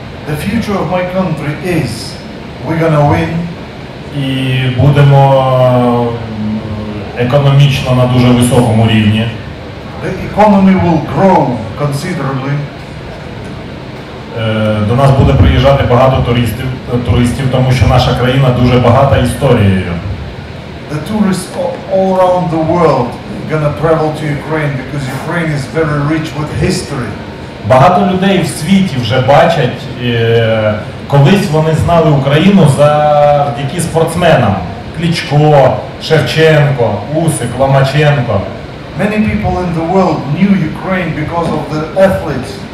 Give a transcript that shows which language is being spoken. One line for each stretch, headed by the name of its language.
English: The future of my country is we're gonna win.
Ukrainian: І будемо економічно на дуже високому рівні.
English: The economy will grow considerably.
Ukrainian: До нас буде приїжджати багато туристів, тому що наша країна дуже багата історією.
English: The tourists all around the world are gonna travel to Ukraine because Ukraine is very rich with history.
Ukrainian: Багато людей в світі вже бачать, колись вони знали Україну завдяки спортсменам. Кличко, Шевченко, Усик, Ломаченко.
English: Many people in the world knew Ukraine because of the athletes.